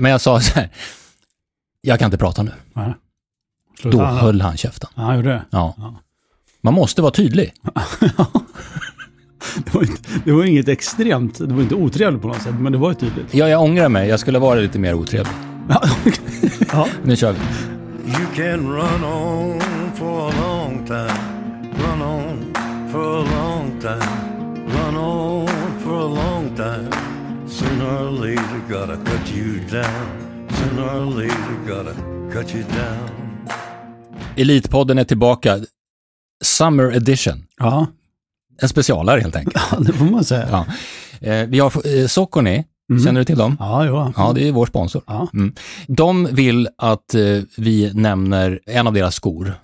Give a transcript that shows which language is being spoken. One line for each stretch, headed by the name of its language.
Swedish: Men jag sa så här: jag kan inte prata nu. Då höll han käften. Ja, gjorde det. Ja. Man måste vara tydlig. Det var inget extremt. Det var inte otrevligt på något sätt, men det var ju tydligt. Ja, jag ångrar mig. Jag skulle vara lite mer otrevlig. Ja. Nu kör vi.
English: You can run on for a long time. Run on for a long time. Run on for a long time. Sooner or later gotta cut you down. Sooner or later gotta cut you down.
Swedish: Elitpodden är tillbaka.
English: Summer edition.
Swedish: Ja. En specialare helt enkelt. Ja, det får man säga. Ja. Vi har Socony. Mm. Känner du till dem? Ja, jo. Ja, det är vår sponsor. Ja. Mm. De vill att vi nämner en av deras skor.